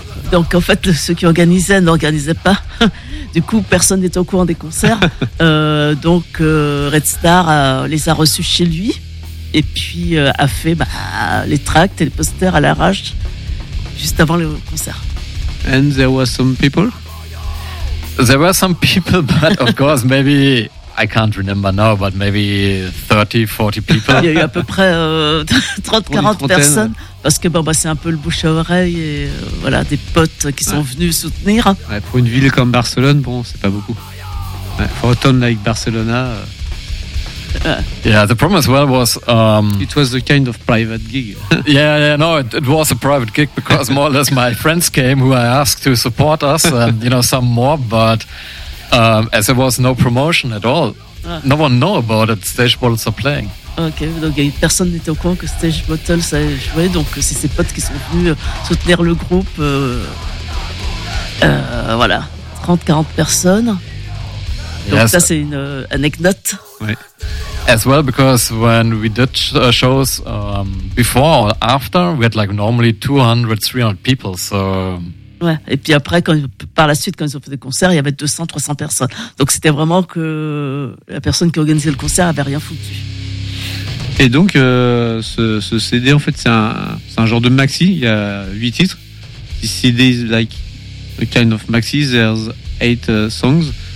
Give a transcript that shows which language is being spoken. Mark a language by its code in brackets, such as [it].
[fr] Donc en fait, ceux qui organisaient n'organisaient pas. Du coup, personne n'était au courant des concerts. donc Red Star les a reçus chez lui et puis a fait les tracts et les posters à l'arrache juste avant le concert. [en] And there were some people. There were some people, but of course, maybe I can't remember now, but maybe 30, 40 people. [fr] Il y a eu à peu près 30-40 personnes, parce que c'est un peu le bouche à oreille et des potes qui sont venus soutenir. Ouais, pour une ville comme Barcelone, c'est pas beaucoup. [en] Ouais, for a town like Barcelona. Yeah, the problem as well was. It was a kind of private gig. it was a private gig because more or less my friends came who I asked to support us and, some more, but as there was no promotion at all, no one knew about it. Stage Bottles are playing. [fr] Ok, donc personne n'était au courant que Stage Bottles a joué, donc c'est ses potes qui sont venus soutenir le groupe. 30-40 personnes. Donc [en] yes. [fr] Ça c'est une anecdote. Oui. [en] As well, because when we did shows before or after, we had like normally 200, 300 people. So [fr] ouais. Et puis après, par la suite, quand ils ont fait des concerts, il y avait 200, 300 personnes. Donc c'était vraiment que la personne qui organisait le concert avait rien foutu. Et donc ce CD, en fait, c'est un genre de maxi. Il y a 8 titres. [en] This CD is like a kind of maxi. There's 8 songs.